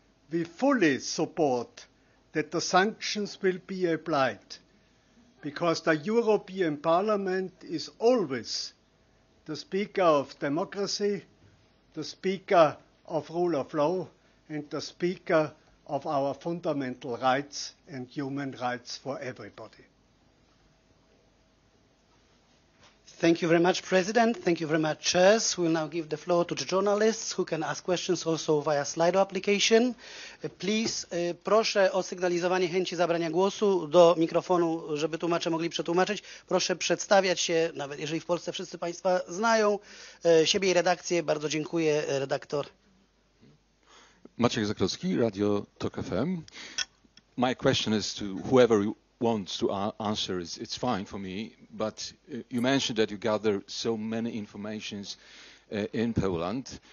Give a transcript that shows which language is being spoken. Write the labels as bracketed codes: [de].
[en] We fully support that the sanctions will be applied, because the European Parliament is always the speaker of democracy, the speaker of rule of law, and the speaker of our fundamental rights and human rights for everybody. Thank you very much, President. Thank you very much, Chairs. We will now give the floor to the journalists who can ask questions also via Slido application. Please, [pl] proszę o sygnalizowanie chęci zabrania głosu do mikrofonu, żeby tłumacze mogli przetłumaczyć. Proszę przedstawiać się, nawet jeżeli w Polsce wszyscy Państwa znają siebie i redakcję. Bardzo dziękuję, redaktor. Maciek Zakrocki, Radio Tok FM. [en] My question is to whoever wants to answer, it's fine for me, but you mentioned that you gather so many informations in Poland.